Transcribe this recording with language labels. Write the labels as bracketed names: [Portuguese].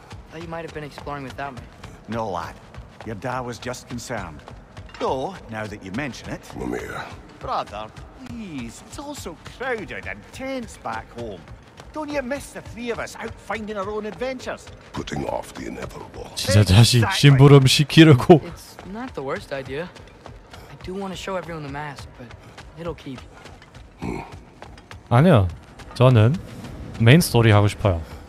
[English] Thought you might have been exploring without me. No, lad. Your dad was just concerned. So, now that you mention it... Mimir. Brother, please. It's all so crowded and tense back home. Don't you miss the three of us out finding our own adventures? Putting off the inevitable. [Korean] 진짜 자식 심부름 시키려고. [English] It's not the worst idea. I do want to show everyone the mask, but it'll keep. [Korean] 아니요. 저는 메인 스토리 하고 싶어요.